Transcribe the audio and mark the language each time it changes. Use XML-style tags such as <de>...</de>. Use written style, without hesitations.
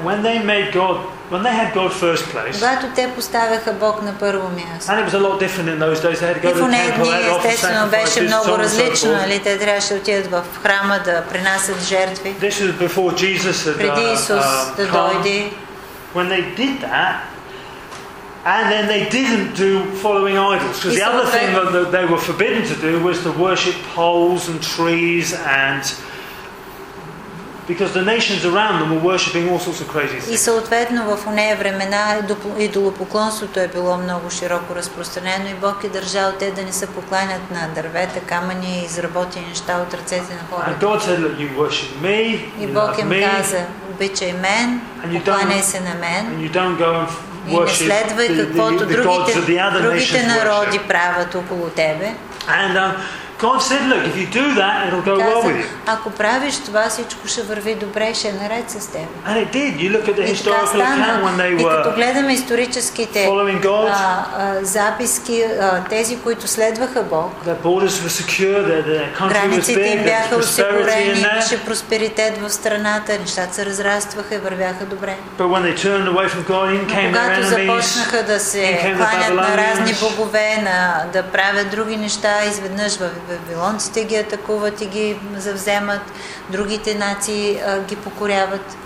<en>When they made God, when they had God first place.</en> <bg>Когато те поставяха Бог на първо място.</bg> <en>And it was a lot different in those days. They had to go to the temple.</en> <bg>И естествено беше много различно, нали? Те трябваше да отидат в храма да принасят жертви.</bg> <en>This was before Jesus had come.</en> <bg>Преди Исус да дойде.</bg> <en>When they did that, and then they didn't do following idols, because the other thing that they were forbidden to do was to worship poles and trees and. Because the nations around them were worshiping all sorts of crazy things.</en> <bg>И съответно в онези времена идолопоклонството е било много широко разпространено и Бог е държал те да не се покланят на дървета, камъни и изработени неща от ръцете на хората.</bg> <en>And God said, look, you worship me.</en> <bg>И Бог им каза, обичай мен, покланяй се на мен.</bg> <en>And you don't go and worship</en> <bg>и не следвай каквото другите народи правят около тебе.</bg> <en>And God said, look, if you do that, it'll go well with you.</en> <bg>Ако правиш това, всичко ще върви добре, ще наред с теб.</bg> <en>And it did. You look at the historical account when they were.</en> <bg>И като гледаме историческите записки, тези, които следваха Бог.</bg> <en>Their borders were secure, their country was big,</en> <bg>границите им бяха осигурени, имаше просперитет в страната, нещата се разрастваха и вървяха добре.</bg> <en>But when they turned away from God, in came their enemies.</en> <bg>Когато започнаха да се кланят на разни богове, да правят други неща, изведнъж вавилонците ги атакуват и ги завземат, другите нации ги покоряват.</bg>